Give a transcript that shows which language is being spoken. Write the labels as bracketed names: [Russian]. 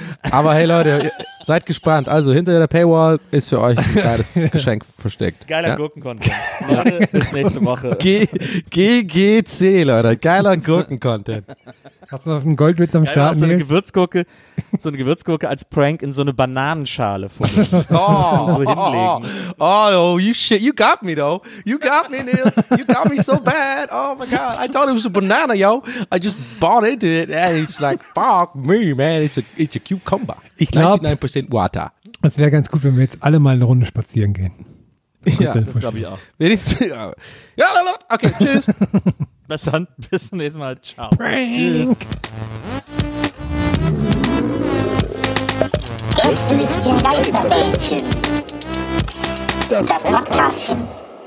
[German] Aber hey Leute, seid gespannt. Also hinter der Paywall ist für euch ein geiles Geschenk versteckt. Geiler Gurken-Content. Bis nächste Woche. GGC, Leute. Geiler Gurken-Content. Hast du noch einen Goldwitz am Start? So eine Gewürzgurke. So eine Gewürzgurke als Prank in so eine Bananenschale vor so hinlegen. [English] Oh, you shit, you got me though. You got me, Nils. You got me so bad. Oh my God. I thought it was a banana, yo. I just bought into it and it's like, fuck me, man. It's a cucumber. [German] Ich glaube, [English] 99% water. [German] Es wäre ganz gut, wenn wir jetzt alle mal eine Runde spazieren gehen. Ja, das glaube ich auch. Ja, lala. Okay, tschüss. Bis dann, bis zum nächsten Mal. Ciao. Prank. Tschüss. Das Flüsschen Geisterbällchen. Das Podcastchen.